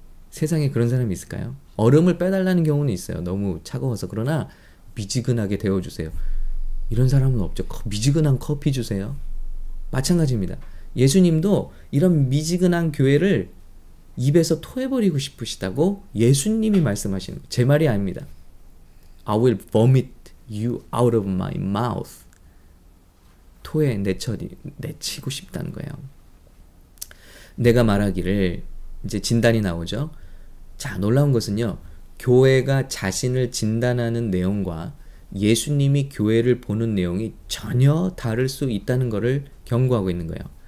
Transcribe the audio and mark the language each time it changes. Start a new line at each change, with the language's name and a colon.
Korean: 세상에 그런 사람이 있을까요? 얼음을 빼달라는 경우는 있어요. 너무 차가워서. 그러나 미지근하게 데워주세요. 이런 사람은 없죠. 미지근한 커피 주세요. 마찬가지입니다. 예수님도 이런 미지근한 교회를 입에서 토해버리고 싶으시다고 예수님이 말씀하시는 거예요. 제 말이 아닙니다.
English: I will vomit you out of my mouth.
Korean: 토해 내치고 싶다는 거예요. 내가 말하기를, 이제 진단이 나오죠. 자, 놀라운 것은요. 교회가 자신을 진단하는 내용과 예수님이 교회를 보는 내용이 전혀 다를 수 있다는 것을 경고하고 있는 거예요.